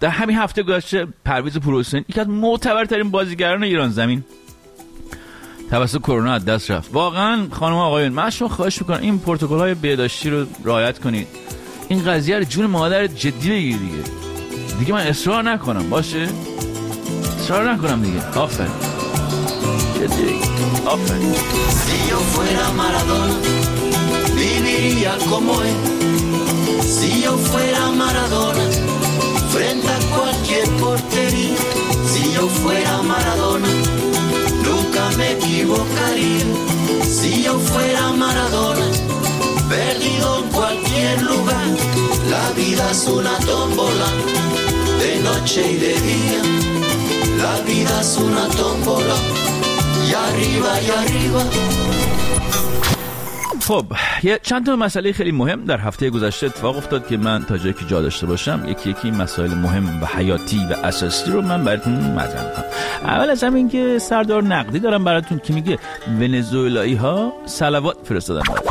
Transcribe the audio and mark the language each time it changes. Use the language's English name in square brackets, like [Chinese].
[Persian] در همین هفته گذشته پرویز پورحسین، یکی از معتبرترین بازیگران ایران زمین، توسط کرونا از دست رفت. واقعا خانم آقایون، من شما خواهش میکنم این پروتکل های بهداشتی رو رعایت کنید. این قضیه رو جون مادر جدی بگیرید دیگه. دیگه من اصرار نکنم، باشه؟ اصرار نکنم دیگه. آفر. جدی. آفر. [Spanish] Si yo fuera Maradona, viviría como es. Si yo fuera Maradona, frente a cualquier portería. Si yo fuera Maradona, nunca me equivocaría. Si yo fuera Maradona, perdido en cualquier lugar. La vida es una tómbola, de noche y de día. La vida es una tómbola, y arriba y arriba. [Persian] خب یه چند تا مسئله خیلی مهم در هفته گذشته اتفاق افتاد که من تا جایی که جا داشته باشم یکی یکی این مسائل مهم و حیاتی و اساسی رو من براتون مطرح کنم. اول از همین که سردار نقدی دارم براتون که میگه ونزوئلایی ها صلوات فرستادن.